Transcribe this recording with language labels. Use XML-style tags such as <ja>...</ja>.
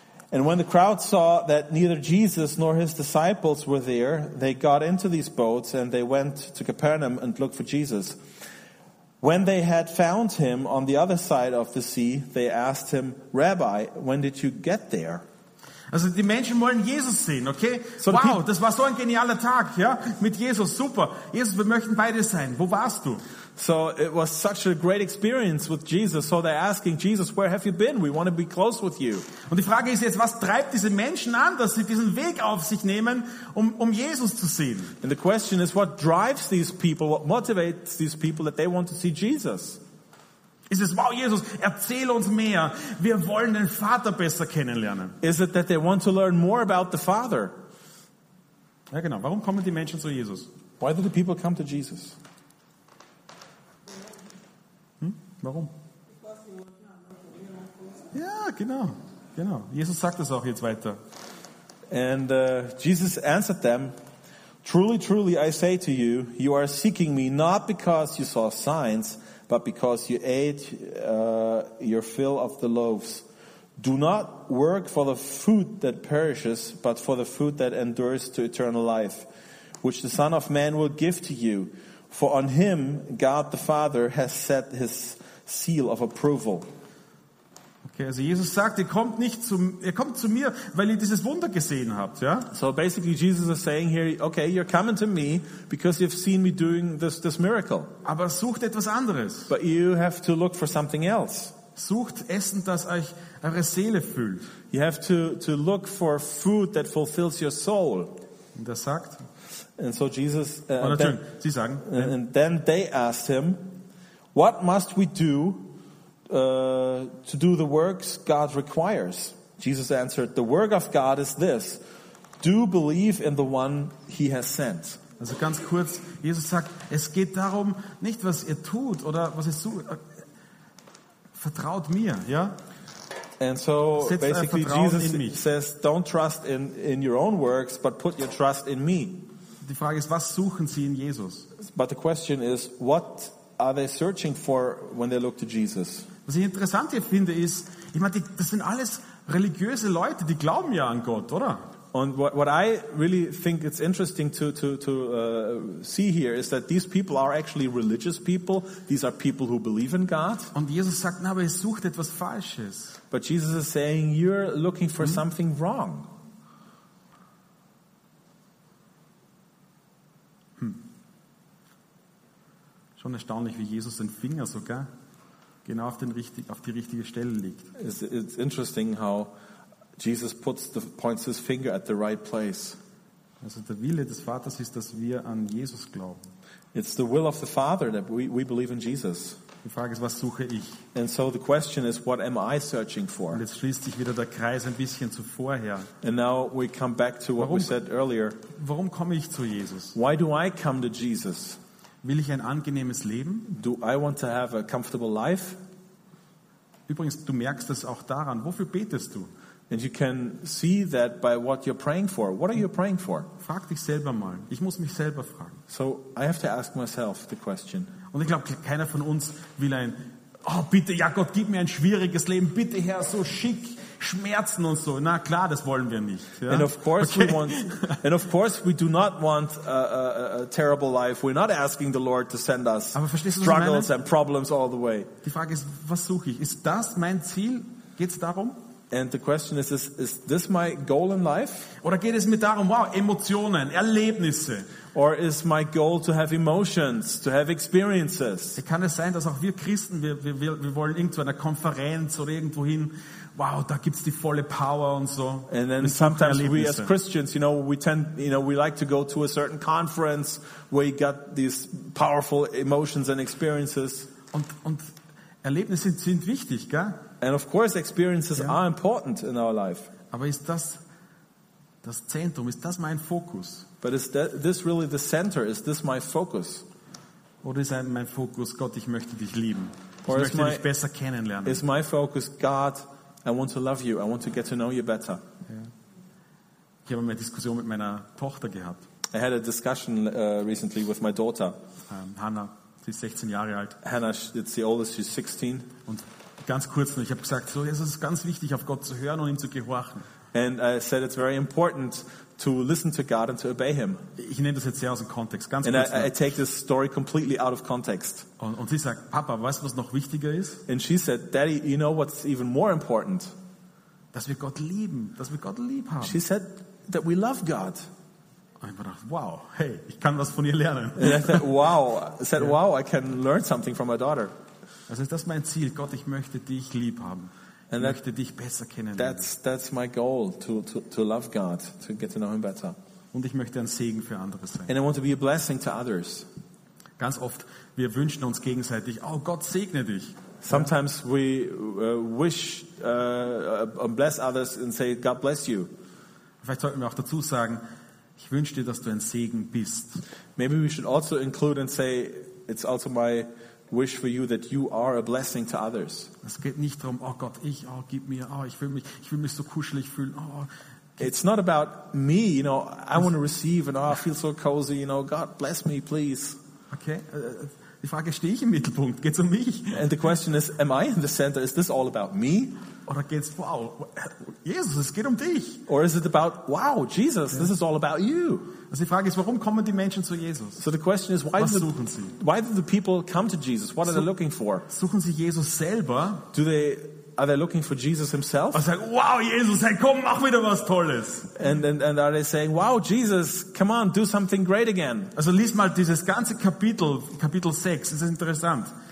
<en>And when the crowd saw that neither Jesus nor his disciples were there, they got into these boats and they went to Capernaum and looked for Jesus. When they had found him on the other side of the sea, they asked him, Rabbi, when did you get there?</en> <de>Also die Menschen wollen Jesus sehen, okay? So wow, das war so ein genialer Tag, ja? Mit Jesus, super. Jesus, wir möchten bei dir sein. Wo warst du?</de> <en>So it was such a great experience with Jesus. So they're asking Jesus, where have you been? We want to be close with you.</en> <de>Und die Frage ist jetzt, was treibt diese Menschen an, dass sie diesen Weg auf sich nehmen, um Jesus zu sehen?</de> <en>And the question is, what drives these people, what motivates these people that they want to see Jesus?</en> <de>Ist es, wow, Jesus, erzähl uns mehr. Wir wollen den Vater besser kennenlernen.</de> <en>Is it that they want to learn more about the Father?</en> <de>Ja, genau. Warum kommen die Menschen zu Jesus?</de> <en>Why do the people come to Jesus?</en> <de>Warum? Ja, genau. Genau. Jesus sagt es auch jetzt weiter.</de> <en>And Jesus answered them, truly, truly, I say to you, you are seeking me not because you saw signs, but because you ate your fill of the loaves. Do not work for the food that perishes, but for the food that endures to eternal life, which the Son of Man will give to you. For on him God the Father has set his seal of approval.</en> <de>Okay, also Jesus sagt, ihr kommt zu mir, weil ihr dieses Wunder gesehen habt, ja?</de> <en>So basically Jesus is saying here, okay, you're coming to me because you've seen me doing this miracle.</en> <de>Aber sucht etwas anderes.</de> <en>But you have to look for something else.</en> <de>Sucht Essen, das euch eure Seele füllt.</de> <en>You have to look for food that fulfills your soul.</en> <de>Und er sagt,</de> <en>and so Jesus</en> <de>Sie sagen,</de> <en>and then they asked him, what must we do to do the works God requires? Jesus answered, the work of God is this. Do believe in the one he has sent.</en> <de>Also ganz kurz, Jesus sagt, es geht darum, nicht was ihr tut oder was ihr sucht. Vertraut mir, ja?</de> <en>And so basically Jesus says, don't trust in your own works, but put your trust in me.</en> <de>Die Frage ist, was suchen sie in Jesus?</de> <en>But the question is, what are they searching for when they look to Jesus?</en> <de>Was ich interessant hier finde ist, ich meine, das sind alles religiöse Leute, die glauben ja an Gott, oder?</de> <en>And what I really think it's interesting to see here is that these people are actually religious people. These are people who believe in God.</en> <de>Und Jesus sagt, na, aber ihr sucht etwas Falsches.</de> <en>But Jesus is saying, you're looking for something wrong.</en> <de>Schon erstaunlich, wie Jesus den Finger sogar genau auf die richtige Stelle legt.</de> <en>It's interesting how Jesus points his finger at the right place.</en> <de>Also der Wille des Vaters ist, dass wir an Jesus glauben.</de> <en>It's the will of the Father that we believe in Jesus.</en> <de>Die Frage ist, was suche ich?</de> <en>And so the question is, what am I searching for?</en> <de>Und jetzt schließt sich wieder der Kreis ein bisschen zuvor her.</de> <en>And now we come back to what we said earlier.</en> <de>Warum komme ich zu Jesus?</de> <en>Why do I come to Jesus?</en> <de>Will ich ein angenehmes Leben?</de> <en>Do I want to have a comfortable life?</en> <de>Übrigens, du merkst es auch daran. Wofür betest du?</de> <en>And you can see that by what you're praying for. What are you praying for?</en> <de>Frag dich selber mal. Ich muss mich selber fragen.</de> <en>So I have to ask myself the question.</en> <de>Und ich glaube, keiner von uns will ein oh bitte, ja Gott, gib mir ein schwieriges Leben, bitte Herr, so schick, Schmerzen und so. Na klar, das wollen wir nicht. Ja?</de> <en>And of course okay. we do not want a terrible life. We're not asking the Lord to send us struggles and problems all the way.</en> <de>Die Frage ist, was suche ich? Ist das mein Ziel? Geht's darum?</de> <en>And the question is this my goal in life?</en> <de>Oder geht es mir darum, wow, Emotionen, Erlebnisse?</de> <en>Or is my goal to have emotions, to have experiences?</en> <de>Kann es sein, dass auch wir Christen, wir wollen irgendwo einer Konferenz oder irgendwohin, wow, da gibt's die volle Power und so.</de> <en>And then sometimes we as Christians, you know, we like to go to a certain conference where you got these powerful emotions and experiences.</en> <de>Und Erlebnisse sind wichtig, gell?</de> <en>And of course experiences are important in our life.</en> <de>Aber ist das Zentrum, ist das mein Fokus?</de> <en>But is this really the center? Is this my focus?</en> <de>Oder ist mein Fokus, Gott, ich möchte dich lieben. Ich möchte dich besser kennenlernen.</de> <en>Is my focus, God, I want to love you. I want to get to know you better.</en> <de>Ja. Ich habe eine Diskussion mit meiner Tochter gehabt.</de> <en>I had a discussion recently with my daughter.</en> <de>Hannah, sie ist 16 Jahre alt.</de> <en>Hannah, it's the oldest, she's 16.</en> <de>Und ganz kurz noch, ich habe gesagt, so, es ist ganz wichtig, auf Gott zu hören und ihm zu gehorchen.</de> <en>And I said it's very important to listen to God and to obey him.</en> <de>Ich nehme das jetzt sehr aus dem Kontext. Ganz</de> <en>and</en> <de>kurz</de> <en>I take this story completely out of context.</en> <de>Und sie sagt, Papa, weißt du, was noch wichtiger ist?</de> <en>And she said, Daddy, you know what's even more important?</en> <de>Dass wir Gott lieben, dass wir Gott lieb haben.</de> <en>She said that we love God.</en> <de>Und ich dachte, wow, hey, ich kann was von ihr lernen.</de> <en>And I said, wow, I can learn something from my daughter.</en> <de>Also ist das mein Ziel, Gott, ich möchte dich lieb haben. Ich möchte dich besser kennenlernen.</de> <en>That's my goal, to love God, to get to know him better.</en> <de>Und ich möchte ein Segen für andere sein.</de> <en>And I want to be a blessing to others.</en> <de>Ganz oft, wir wünschen uns gegenseitig, oh Gott, segne dich.</de> <en>Sometimes we wish and bless others and say, God bless you.</en> <de>Vielleicht sollten wir auch dazu sagen, ich wünsche dir, dass du ein Segen bist.</de> <en>Maybe we should also include and say, it's also my wish for you that you are a blessing to others.</en> <de>Es geht nicht darum, oh Gott, ich, oh, gib mir, oh, ich will mich so kuschelig fühlen. Oh,</de> <en>it's not about me, you know, I want to receive and oh, I feel so cozy, you know, God bless me, please.</en> <de>Okay, die Frage, stehe ich im Mittelpunkt? Geht's um mich?</de> <en>And the question is, am I in the center? Is this all about me?</en> <de>Oder geht's, wow, Jesus, es geht um dich.</de> <en>Or is it about, wow, Jesus, this is all about you.</en> <de>Also die Frage ist, warum kommen die Menschen zu Jesus?</de> <en>So the question is, why do the people come to Jesus? What are they looking for?</en> <de>Suchen sie Jesus selber?</de> <en>Are they looking for Jesus himself?</en> <de>Und sagen, wow, Jesus, hey, komm, mach wieder was Tolles.</de> <en>And are they saying, wow, Jesus, come on, do something great again.</en> <de>Also lies mal dieses ganze Kapitel 6, es ist interessant.</de>